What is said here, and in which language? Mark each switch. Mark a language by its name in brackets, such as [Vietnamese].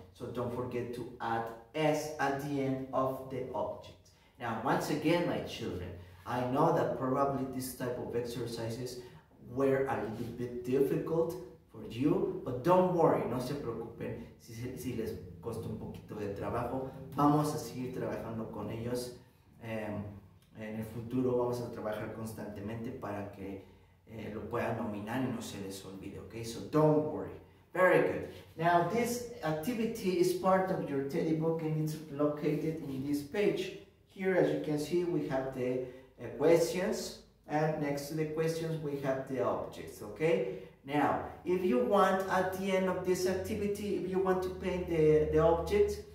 [English] So don't forget to add S at the end of the object. Now, once again, my children, I know that probably this type of exercises were a little bit difficult for you, but don't worry, [Spanish] no se preocupen si les costó un poquito de trabajo. Vamos a seguir trabajando con ellos. En el futuro vamos a trabajar constantemente para que lo puedan dominar y no se les olvide, okay? [English] So don't worry. Very good. Now, this activity is part of your teddy book and it's located in this page. Here, as you can see, we have the questions, and next to the questions, we have the objects, okay? Now, if you want, at the end of this activity, if you want to paint the objects,